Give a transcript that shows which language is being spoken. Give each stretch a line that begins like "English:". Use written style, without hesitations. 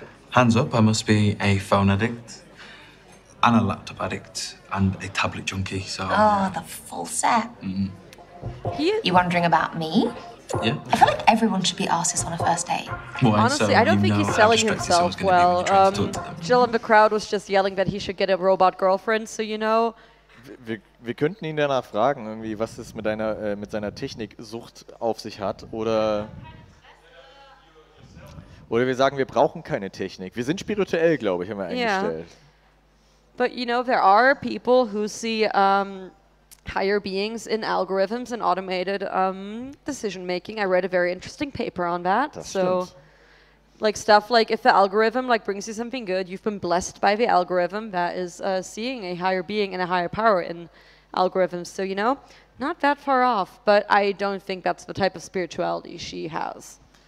English: Hands up, I must be a phone addict, and a laptop addict, and a tablet junkie, so... Oh, the full set. Mm-hmm. You wondering about me? Yeah. I feel like everyone should be asked this on a first date. Well, honestly, so I don't think he's selling himself well. Jill in the crowd was just yelling that he should get a robot girlfriend, so you know...
German: Wir könnten ihn danach fragen, irgendwie, was es mit seiner Techniksucht auf sich hat. Oder wir sagen, wir brauchen keine Technik. Wir sind spirituell, glaube ich, haben wir eingestellt.
English: But you know, there are people who see higher beings in algorithms and automated decision making. I read a very interesting paper on that.
German: Das so stimmt.
English: Like stuff like if the algorithm like brings you something good, you've been blessed by the algorithm that is seeing a higher being and a higher power in algorithms, so you know, not that far off, but I don't think that's the type of spirituality she has.